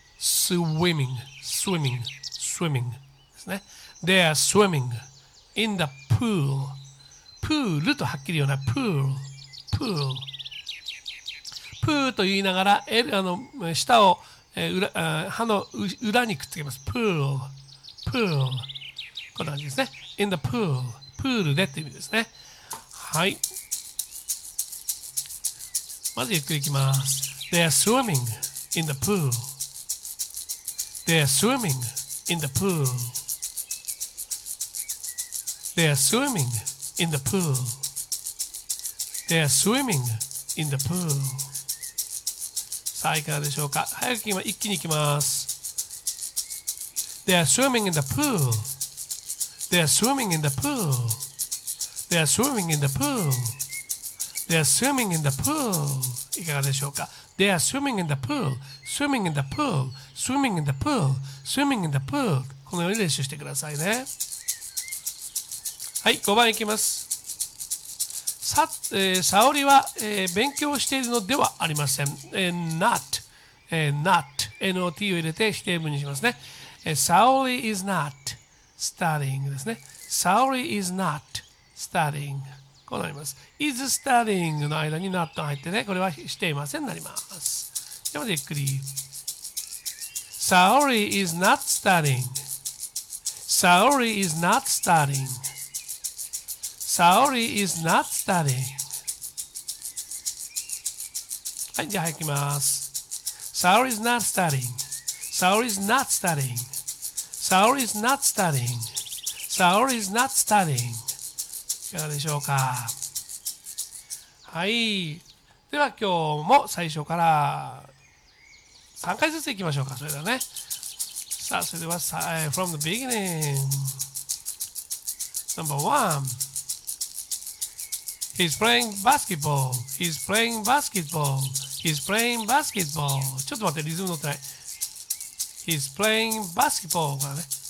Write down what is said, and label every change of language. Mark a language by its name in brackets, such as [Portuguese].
[Japanese] スウィミング、スウィミング、スウィミングですね。 [English] They are swimming in the pool. [Japanese] プールとはっきり言うな。プール、プール。プーと言いながら、舌を、歯の裏にくっつけます。プール、プール。こんな感じですね。 [English] in the pool。 [Japanese] プールでって意味ですね。はい。まずゆっくりいきます。 [English] They are swimming in the pool. They are swimming in the pool. They are swimming in the pool. They are swimming in the pool. [Japanese] さあ、いかがでしょうか。早く一気にいきます。 [English] They are swimming in the pool. They are swimming in the pool. They are swimming in the pool. They are swimming in the pool. [Japanese] いかがでしょうか? [English] They are swimming in the pool. Swimming in the pool. Swimming in the pool. Swimming in the pool. [Japanese] このように練習してくださいね。はい、5番いきます。沙織は、勉強しているのではありません。 [English] Not. Not. [Japanese] N-O-T を入れて否定文にしますね。 [English] 沙織 is not studying [Japanese] ですね。 [English] 沙織 is not studying. [Japanese] こうなります。 Is studying の間に not 入ってね、これはしていませんになります。でもゆっくり。 [English] Saori is not studying. Saori is not studying. Saori is not studying. [Japanese] はい、じゃあ行きます。 [English] Saori is not studying. Saori is not studying. Saori is not studying. Saori is not studying. [Japanese] いかがでしょうか。はい、では今日も最初から3回ずついきましょうか。それではね、さあ、それでは [English] From the beginning Number one He's playing basketball He's playing basketball He's playing basketball [Japanese] ちょっと待って、リズム乗ってない。 [English] He's playing basketball [Japanese] からね。